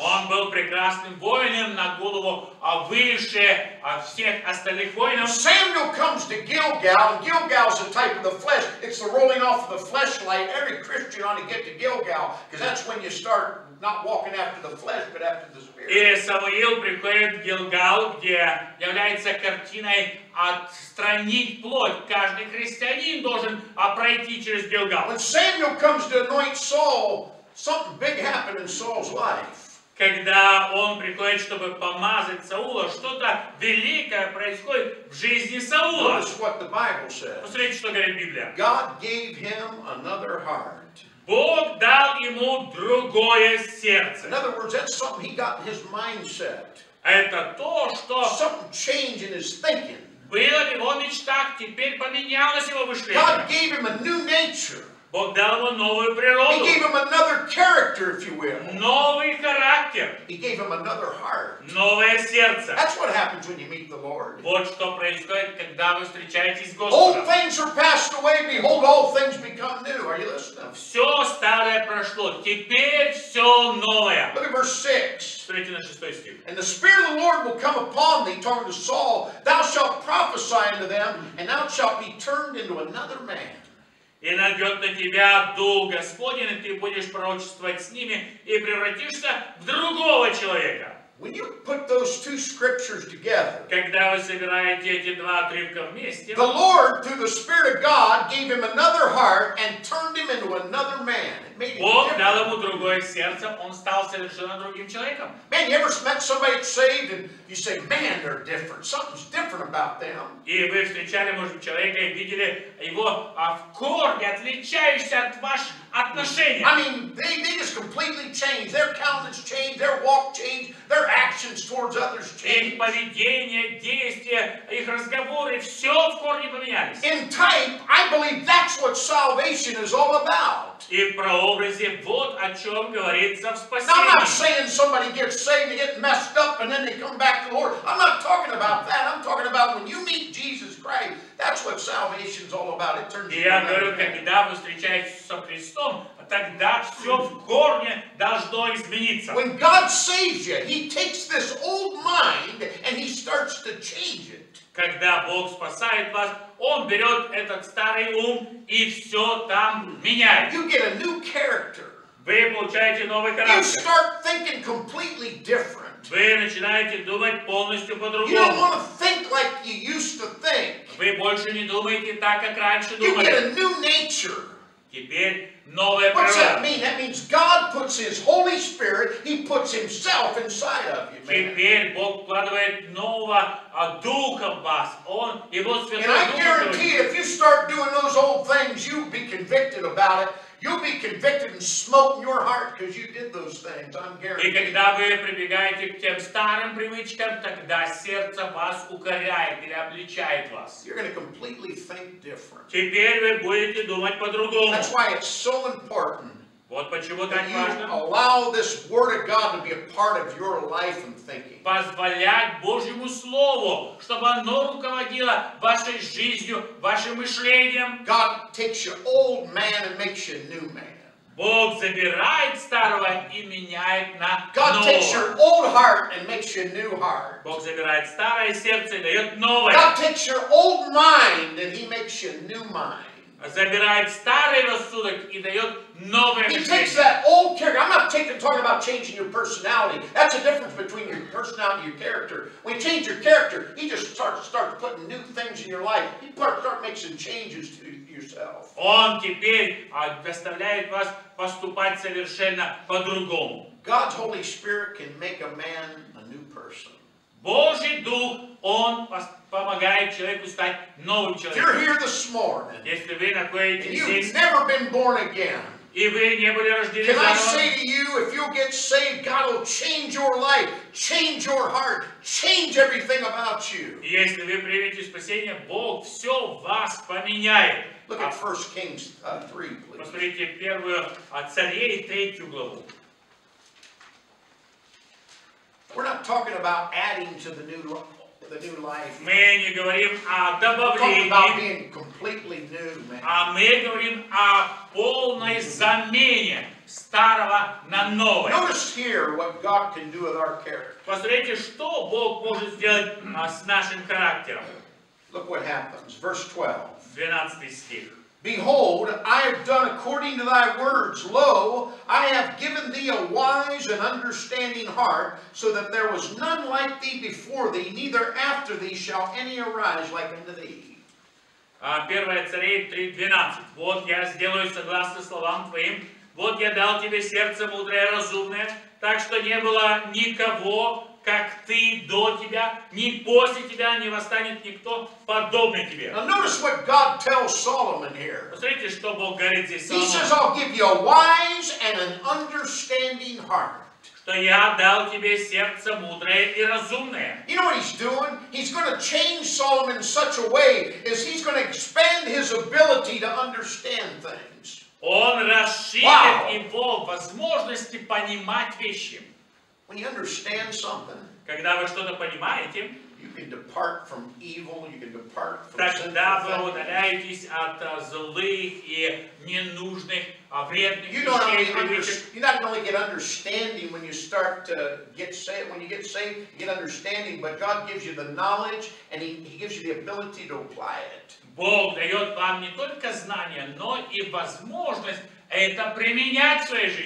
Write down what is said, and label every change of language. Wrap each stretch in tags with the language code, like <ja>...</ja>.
<ru>Он был прекрасным воином, на голову выше всех остальных воинов.</ru> <en>Samuel comes to Gilgal, and Gilgal is a type of the flesh. It's the rolling off of the fleshlight. Every Christian ought to get to Gilgal, because that's when you start not walking after the flesh, but after the Spirit.</en> <ru>И Самуил приходит в Гилгал, где является картиной отстранить плоть. Каждый христианин должен пройти через Гилгал.</ru> <en>When Samuel comes to anoint Saul, something big happened in Saul's life.</en> <ru>Когда он приходит, чтобы помазать Саула, что-то великое происходит в жизни Саула. Посмотрите, что говорит Библия.</ru> <en>God gave him another heart.</en> <ru>Бог дал ему другое сердце.</ru> <en>In other words, that's something he got in his mindset.</en> <ru>Это то, что</ru> <en>something changed in his thinking.</en> <ru>Было в его мечтах, теперь поменялось его мышление.</ru> <en>God gave him a new nature.</en> <ru>Бог дал ему новую природу.</ru> <en>He gave him another character, if you will.</en> <ru>Новый характер.</ru> <en>He gave him another heart.</en> <ru>Новое сердце.</ru> <en>That's what happens when you meet the Lord.</en> <ru>Вот что происходит, когда вы встречаетесь с Господом.</ru> <en>Old things are passed away, behold, all things become new. Are you listening?</en> <ru>Все старое прошло, теперь все новое.</ru> <en>Look at verse 6.</en> <ru>Смотрите на 6 стих.</ru> <en>And the Spirit of the Lord will come upon thee, talking to Saul, thou shalt prophesy unto them, and thou shalt be turned into another man.</en> <ru>И найдет на тебя Дух Господень, и ты будешь пророчествовать с ними, и превратишься в другого человека.</ru> <en>When you put those two scriptures together,</en> <ru>когда вы собираете эти два отрывка вместе,</ru> <en>the Lord, through the Spirit of God, gave him another heart and turned him into another man.</en> <ru>Бог дал ему другое сердце, он стал совершенно другим человеком.</ru> <en>Man, you ever met somebody saved and you say, man, they're different. Something's different about them.</en> <ru>И вы встречали, может, человека и видели его в корне, отличающийся от ваших отношений.</ru> <en>I mean, they just completely changed. Their countenance changed, their walk changed, their actions towards others changed.</en> <ru>Их поведение, действия, их разговоры, все в корне поменялись.</ru> <en>In type, I believe that's what salvation is all about.</en> <ru>И в прообразе вот о чем говорится в спасении.</ru> <en>Now, I'm not saying somebody gets saved and get messed up and then they come back to the Lord. I'm not talking about that. I'm talking about when you meet Jesus Christ, that's what salvation is all about. It turns</en> <ru>я говорю, когда вы встречаетесь со Христом, тогда все в корне должно измениться.</ru> <en>When God saves you, he takes this old mind and he starts to change it.</en> <ru>Когда Бог спасает вас, Он берет этот старый ум и все там меняет.</ru> <en>You get a new character.</en> <ru>Вы получаете новый характер.</ru> <en>You start thinking completely different.</en> <ru>Вы начинаете думать полностью по-другому.</ru> <en>You don't want to think like you used to think.</en> <ru>Вы больше не думаете так, как раньше</ru> <en>you</en> <ru>думали.</ru> <en>Get a new nature.</en> <ru>Теперь новая</ru> <en>What's</en> <ru>природа.</ru> <en>That mean? That means God puts His Holy Spirit, He puts Himself inside of you, man.</en> <ru>Теперь Бог вкладывает нового Духа в вас. Он, Его Святой Дух.</ru> <en>And I guarantee if you start doing those old things, you'll be convicted about it. You'll be convicted and smote in your heart because you did those things. I'm guaranteed.</en> <ru>И когда вы прибегаете к тем старым привычкам, тогда сердце вас укоряет или обличает вас.</ru> <en>You're going to completely think different.</en> <ru>Теперь вы будете думать по-другому.</ru> <en>That's why it's so important.</en> <ru>Вот почему так важно.</ru> <en>Allow this word of God to be a part of your life and thinking.</en> <ru>Позволять Божьему Слову, чтобы оно руководило вашей жизнью, вашим мышлением.</ru> <en>God takes your old man and makes you a new man.</en> <ru>Бог забирает старого и меняет на</ru> <en>God</en> <ru>нового.</ru> <en>God takes your old heart and makes you a new heart.</en> <ru>Бог забирает старое сердце и дает новое.</ru> <en>God takes your old mind and he makes you a new mind.</en> <ru>Забирает старый рассудок и дает новое мышление.</ru> <en>He takes that old character. I'm not talking about changing your personality. That's the difference between your personality and your character. When you change your character, he just starts putting new things in your life. He starts making changes to yourself.</en> <ru>Он теперь заставляет вас поступать совершенно по-другому.</ru> <en>God's Holy Spirit can make a man a new person.</en> <ru>Божий Дух, Он помогает человеку стать новым человеком.</ru> <en>You're here this morning.</en> <ru>Если вы находитесь</ru> <en>you've</en> <ru>здесь,</ru> <en>never been born again.</en> <ru>И вы не были рождены</ru> <en>Can</en> <ru>заново.</ru> <en>Can I say to you, if you'll get saved, God will change your life, change your heart, change everything about you.</en> <ru>Если вы примете спасение, Бог все в вас поменяет.</ru> <en>Look at 1 Kings 3, please.</en> <ru>Посмотрите первую от Царей, третью главу.</ru> <en>We're not talking about adding to the new life.</en> <ru>Мы не говорим о добавлении.</ru> <en>We're talking about being completely new, man.</en> <ru>А мы говорим о полной замене старого на новое.</ru> <en>Notice here what God can do with our character.</en> <ru>Посмотрите, что Бог может сделать с нашим характером.</ru> <en>Look what happens. Verse 12.</en> <ru>12 стих.</ru> <en>Behold, I have done according to thy words. Lo, I have given thee a wise and understanding heart, so that there was none like thee before thee, neither after thee shall any arise like unto thee.</en> <ru>1 Царей 3:12. Вот я сделаю согласно словам твоим. Вот я дал тебе сердце мудрое и разумное, так что не было никого, как ты до тебя, ни после тебя не восстанет никто подобный тебе.</ru> <en>Now notice what God tells Solomon here.</en> <ru>Посмотрите, что Бог говорит здесь Соломону.</ru> <en>He says, I'll give you a wise and an understanding heart.</en> <ru>Что я дал тебе сердце мудрое и разумное.</ru> <en>You know what he's doing? He's going to change Solomon in such a way as he's going to expand his ability to understand things.</en> <ru>Он расширит его возможности понимать вещи.</ru> <en>When you understand something,</en> <ru>когда вы что-то понимаете,</ru> <en>you can depart from evil, you can depart from</en> <ru>тогда вы удаляетесь от злых и ненужных, вредных вещей.</ru> <en>You not only get understanding when you start to get saved, when you get saved, you get understanding, but God gives you the knowledge and he gives you the ability to apply it.</en> <ru>Бог дает вам не только знания, но и возможность это применять в своей жизни.</ru>